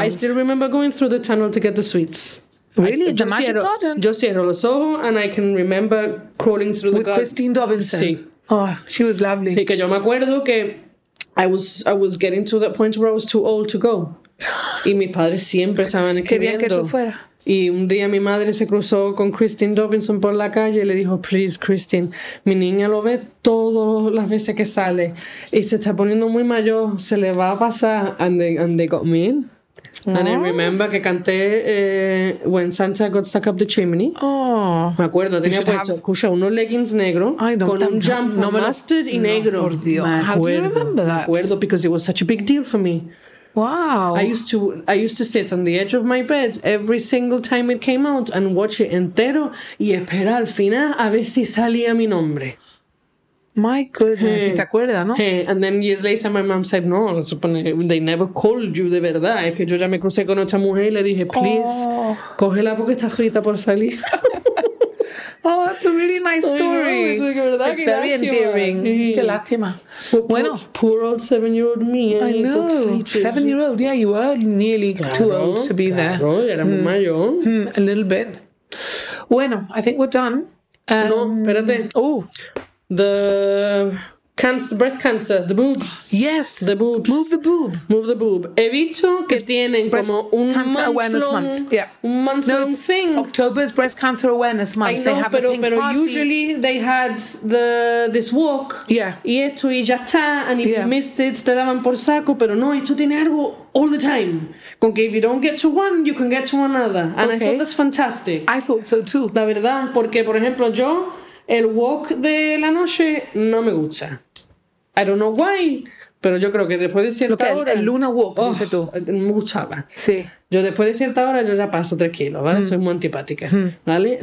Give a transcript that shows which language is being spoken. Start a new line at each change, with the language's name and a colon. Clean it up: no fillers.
English: I still remember going through the tunnel to get the sweets. Really? The Magic Garden?
Spanish: Yo cierro los ojos,
English: and I can remember crawling through the garden. With Christine Dobinson.
Spanish: Sí.
English: Oh, she was lovely.
Spanish: Sí, que yo me acuerdo que
English: I was getting to that point where I was too old to go.
Spanish: Y mis padres siempre estaban escribiendo. Querían que tú fuera. Y un día mi madre se cruzó con Christine Dobinson por la calle y le dijo,
English: please, Christine,
Spanish: mi niña lo ve todas las veces que sale y se está poniendo muy mayor, se le va a pasar.
English: And they got me in. Oh. And I remember
Spanish: que canté
English: When Santa Got Stuck Up the Chimney. Oh.
Spanish: Me acuerdo, tenía puesto, escucha, unos leggings negro con un jumper no mustard y negro. Por Dios. How acuerdo,
English: do you remember that?
Spanish: Me acuerdo,
English: because it was such a big deal for me. Wow. I used to sit on the edge of my bed every single time it came out and watch it
Spanish: entero y esperar al final a ver si salía mi nombre.
English: My goodness, hey.
Spanish: ¿Te acuerdas, no?
English: Hey. And then years later my mom said, no, they never called you,
Spanish: de verdad. Es que yo ya me crucé con otra mujer y le dije, please, cógela porque está frita por salir.
English: Oh, that's a really nice story. It's very endearing.
Spanish: Qué lástima. Bueno.
English: Poor old 7-year-old me. I know. 7-year-old, yeah, you were nearly too old to be there.
Spanish: Claro, era muy mayor.
English: A little bit. Bueno, I think we're done.
Spanish: No, espérate. Oh.
English: The cancer, breast cancer, the boobs. Yes. The boobs. Move the boob. Move the boob.
Spanish: He visto que tienen como un
English: cancer awareness month. Yeah. Un month long thing. October is breast cancer awareness month. I know, they have
Spanish: pero,
English: a pink
Spanish: pero
English: party. Usually they had this walk. Yeah.
Spanish: Y esto y ya está.
English: And if you missed it,
Spanish: te daban por saco. Pero no, esto tiene algo
English: all the time.
Spanish: Con que
English: if you don't get to one, you can get to another. And okay. I thought that's fantastic. I thought so too.
Spanish: La verdad, porque por ejemplo yo... El walk de la noche no me gusta.
English: I don't know why,
Spanish: pero yo creo que después de cierta que, hora... El luna walk, oh, dice tú. Me gustaba. Sí. Yo después de cierta hora yo ya paso 3 kilos, ¿vale? Soy muy antipática, ¿vale?